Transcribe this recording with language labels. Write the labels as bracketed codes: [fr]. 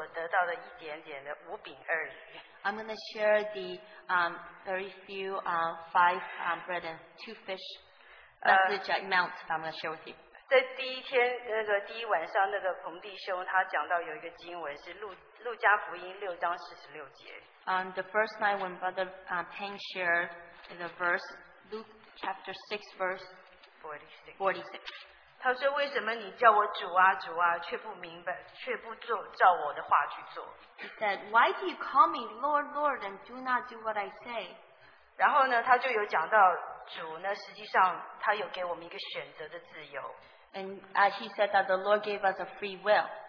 [zh] 我就是想交通这么多。我分享的只是我所得到的一点点的五饼而已。 [en] I'm going to share the very few five bread and two fish message amounts that I'm going to share with you. [zh] 在第一天，那个第一晚上，那个彭弟兄他讲到有一个经文是路加福音6章46节。 [en] The first night when Brother Peng shared the verse Luke chapter 6 verse 46. [zh] 他说：“为什么你叫我主啊主啊，却不明白，却不做照我的话去做？” [en] He said, "Why do you call me Lord, Lord, and do not do what I say?" [zh] 然后呢，他就有讲到主呢，实际上他有给我们一个选择的自由。 [en] And he said that the Lord gave us a free will.